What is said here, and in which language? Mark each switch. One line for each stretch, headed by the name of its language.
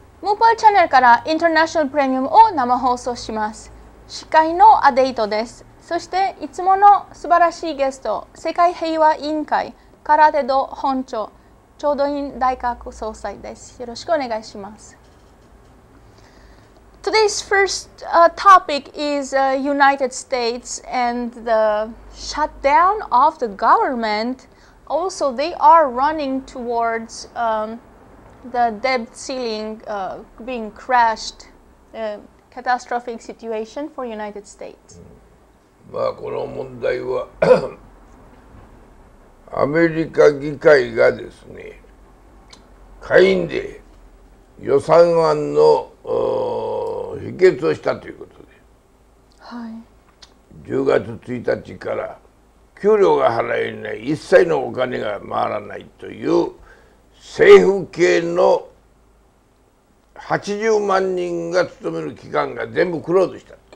Japanese: ムーパーチャンネルからインターナショナルプレミアムを生放送します。司会のアデイトです。そしていつもの素晴らしいゲスト、世界平和委員会空手道本庁調度員大学総裁です。よろしくお願いします。
English: Today's first topic is United States and the shutdown of the government. Also, they are running towards the debt ceiling being crashed, a catastrophic situation for United States.
Japanese: まあこの問題はアメリカ議会がですね、下院で予算案の否決をしたということで、はい、 10月1日から給料が払えない一切のお金が回らないという政府系の80万人が勤める機関が全部クローズした。